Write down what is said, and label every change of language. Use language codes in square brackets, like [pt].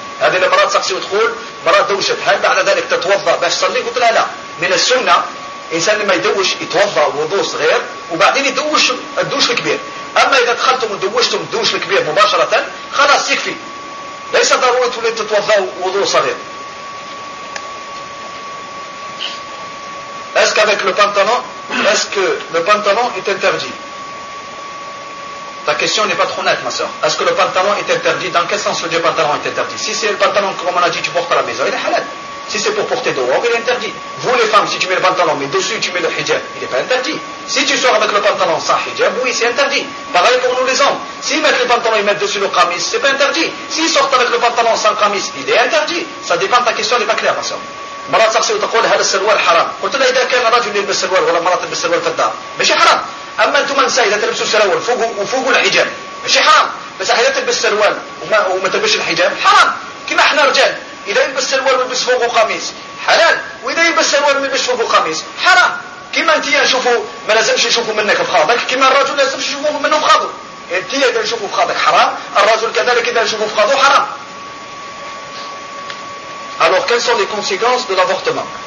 [ar] هذه المرأة تسقسي وتقول مرأة دوشة، هل بعد ذلك تتوضأ باش تصلي؟ قلت لها لا، من السنة إنسان لما يدوش يتوضأ وضوء صغير وبعدين يدوش الدوش الكبير، أما إذا دخلتم ودوشتم الدوش الكبير مباشرة خلاص يكفي، ليس ضروري تريد تتوضأ وضوء صغير. [fr] Est-ce qu'avec le pantalon, est-ce que le pantalon est interdit? Ta question n'est pas trop nette, ma soeur. Est-ce que le pantalon est interdit? Dans quel sens le pantalon est interdit? Si c'est le pantalon, comme on a dit, tu portes à la maison, il est halal. Si c'est pour porter dehors, il est interdit. Vous, les femmes, si tu mets le pantalon, mais dessus, tu mets le hijab, il n'est pas interdit. Si tu sors avec le pantalon sans hijab, oui, c'est interdit. Pareil pour nous, les hommes. S'ils mettent le pantalon et mettent dessus le kamis, c'est pas interdit. S'ils sortent avec le pantalon sans kamis, il est interdit. Ça dépend, ta question n'est pas claire, ma soeur. [ar] مرأة تقصي وتقول هذا السروال حرام، قلت لها إذا كان رجل يلبس السروال ولا مرأة تلبس السروال في الدار ماشي حرام، أما أنتم النساء إذا تلبسوا السروال فوق وفوق الحجاب ماشي حرام، بس إذا تلبس السروال وما تلبسش الحجاب حرام، كما إحنا رجال إذا يلبس السروال ويلبس فوقه قميص حلال، وإذا يلبس السروال ويلبس فوقه قميص حرام، كما أنت نشوفوا ما لازمش نشوفوا منك بخاطرك، كما الرجل لازمش نشوفوا منه بخاطره، أنت إذا نشوفوا بخاطرك حرام، الرجل كذلك إذا نشوفوا بخاطره حرام. [fr] Alors, quelles sont les conséquences de l'avortement?